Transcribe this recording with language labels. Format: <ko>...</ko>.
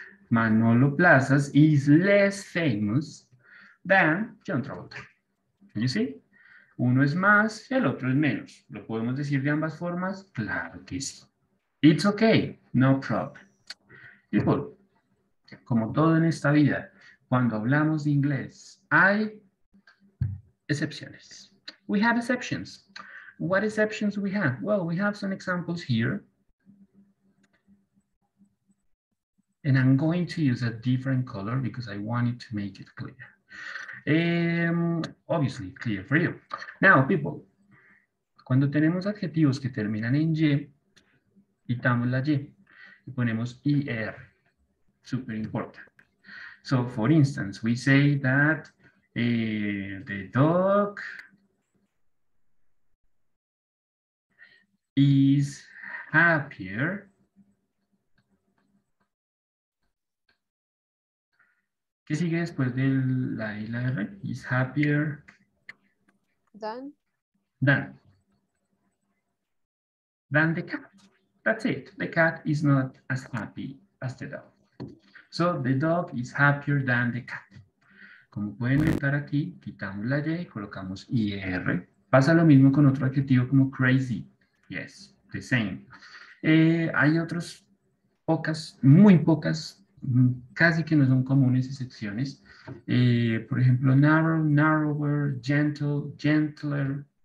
<en>Manolo Plazas is less famous than John Travolta. Can you see?</en> <es>Uno es más y el otro es menos. ¿Lo podemos decir de ambas formas? Claro que sí.</es> <en>It's okay. No problem.</en> <es>People, como todo en esta vida, cuando hablamos de inglés, hay excepciones.</es> <en>We have exceptions. What exceptions we have? Well, we have some examples here. And I'm going to use a different color because I wanted to make it clear. Obviously, clear for you. Now, people,</en> <es>cuando tenemos adjetivos que terminan en Y, quitamos la Y y ponemos IR.</es> <en>Super important. So, for instance, we say that the dog is happier.</en> <es>¿Qué sigue después de la I y la R?</es> <en>Is happier. Than the cat. That's it. The cat is not as happy as the dog. So the dog is happier than the cat.</en> <es>Como pueden notar aquí, quitamos la Y y colocamos IR. Pasa lo mismo con otro adjetivo como crazy.</es> <en>Yes, the same.</en> <es>Hay otros pocas, muy pocas, casi que no son comunes excepciones. Por ejemplo, narrow, narrower, gentle, gentler.</es>